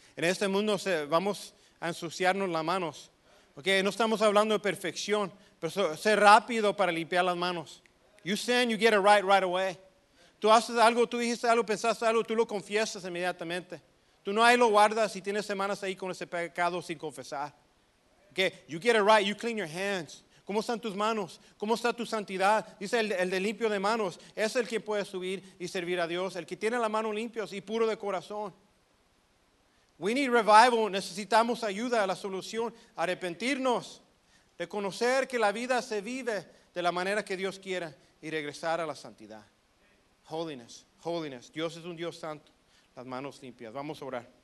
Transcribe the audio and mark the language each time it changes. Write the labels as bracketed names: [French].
[Spanish] En este mundo vamos a ensuciarnos las manos. Okay, no estamos hablando de perfección, pero sé rápido para limpiar las manos. [English] You sin, you get it right away. [Spanish] Tú haces algo, tú dijiste algo, pensaste algo, tú lo confiesas inmediatamente. Tú no ahí lo guardas y tienes semanas ahí con ese pecado sin confesar. [English] Okay, you get it right, you clean your hands. [Spanish] ¿Cómo están tus manos? ¿Cómo está tu santidad? Dice el de limpio de manos, es el que puede subir y servir a Dios, el que tiene la mano limpia y puro de corazón. [English] We need revival, [Spanish] necesitamos ayuda a la solución, arrepentirnos, reconocer que la vida se vive de la manera que Dios quiera y regresar a la santidad. [English] Holiness, holiness, [Spanish] Dios es un Dios santo, las manos limpias, vamos a orar.